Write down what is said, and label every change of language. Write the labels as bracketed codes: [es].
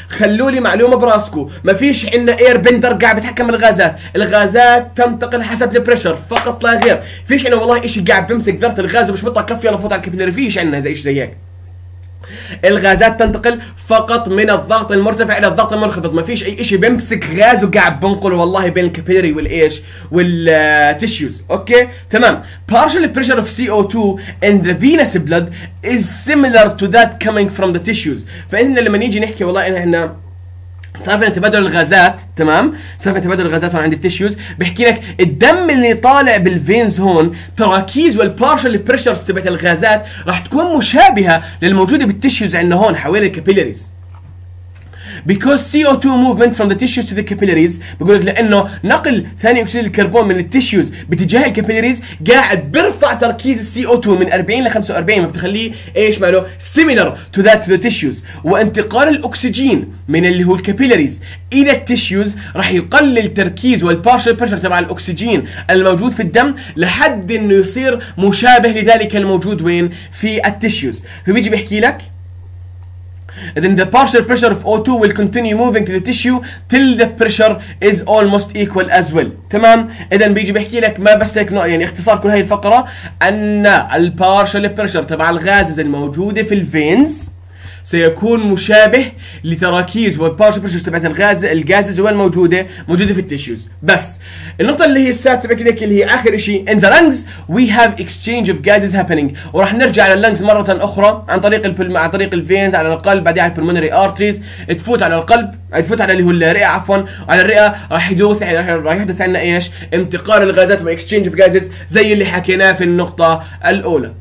[ar] خلوا لي معلومه براسكو، ما فيش عندنا اير بندر قاعد بيتحكم بالغازات، الغازات تنتقل حسب البريشر فقط لا غير، فيش عندنا والله شيء قاعد بيمسك ذره الغاز مش مطلع كفي يلا فوت على الكابيلاري، فيش عندنا زي شيء زي هيك. الغازات تنتقل فقط من الضغط المرتفع الى الضغط المنخفض، ما فيش اي اشي بيمسك غاز وقاعد بنقله والله بين الكابيلري والايش والتيشوز. اوكي تمام. [en] Partial pressure of CO2 in the venous blood is similar to that coming from the tissues. [ar] فإن لما نيجي نحكي والله ان احنا صافي تبادل الغازات، تمام صافي تبادل الغازات هون عند التيشوز، بحكي لك الدم اللي طالع بالفينز هون تراكيز والبارشل بريشر تبعت الغازات راح تكون مشابهه للموجوده بالتيشوز عندنا هون حوالين الكابيلاريز. [en] Because CO2 movement from the tissues to the capillaries، [ar] بقول لك لانه نقل ثاني اكسيد الكربون من التيشوز باتجاه الكابيلاريز قاعد بيرفع تركيز CO2 من 40 ل 45، ما بتخليه ايش ماله [en] similar to that to the tissues، [ar] وانتقال الاكسجين من اللي هو الكابيلاريز الى التيشوز راح يقلل تركيز والبارشل بريشر تبع الاكسجين الموجود في الدم لحد انه يصير مشابه لذلك الموجود وين في التيشوز. فبيجي بيحكي لك [en] Then the partial pressure of O2 will continue moving to the tissue till the pressure is almost equal as well. [ar] تمام؟ إذا بيجي بحكي لك ما بس هيك يعني اختصار كل هاي الفقرة أن ال partial pressure تبع الغاز الموجودة في الفينز سيكون مشابه لتراكيز وال partial pressure تبع الغاز الغازز وين موجودة في التيشوز. بس النقطة اللي هي السادسة بحكي لك اللي هي آخر شيء [en] in the lungs we have exchange of gases happening، [ar] وراح نرجع على اللنجز مرة أخرى عن طريق ال عن طريق الفينز على القلب بعدين على البلمونري آرتريز تفوت على القلب تفوت على اللي هو الرئة عفوا على الرئة راح يدوث راح يحدث عنا إيش انتقال الغازات و exchange of gases زي اللي حكيناه في النقطة الأولى.